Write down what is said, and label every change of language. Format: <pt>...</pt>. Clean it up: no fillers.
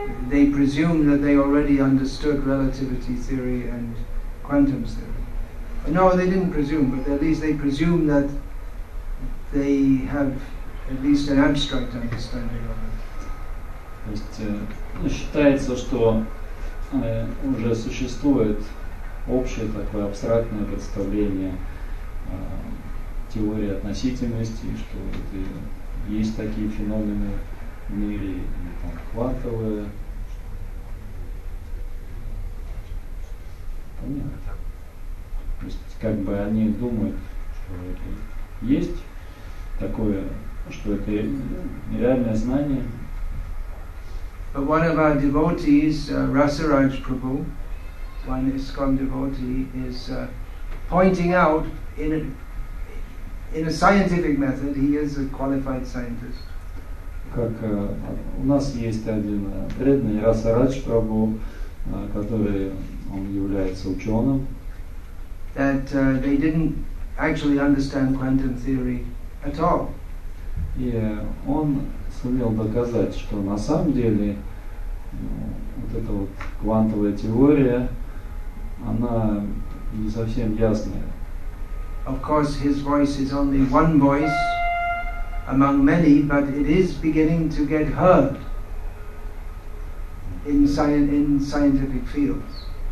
<en>They presume that they already understood relativity theory and quantum theory. No, they didn't presume, but at least they presume that they have at least an abstract understanding of it.</en> <ru>То есть считается, что уже существует общее такое абстрактное представление теории относительности, что вот, есть такие феномены в мире, и, там, квантовые. Понятно. То есть как бы они думают, что это есть такое, что это реальное знание.</ru> <en>But one of our devotees, Rasaraj Prabhu, one ISKCON devotee, is pointing out in a scientific method, he is a qualified scientist.</en> <ru>Как у нас есть один преданный Расарадж Прабху, который он является ученым.</ru> <en>That they didn't actually understand quantum theory at all.</en> <ru>И он сумел доказать, что на самом деле вот эта вот квантовая теория, она не совсем ясная.</ru> <en>Of course, his voice is only one voice among many, but it is beginning to get heard in scientific fields.</en>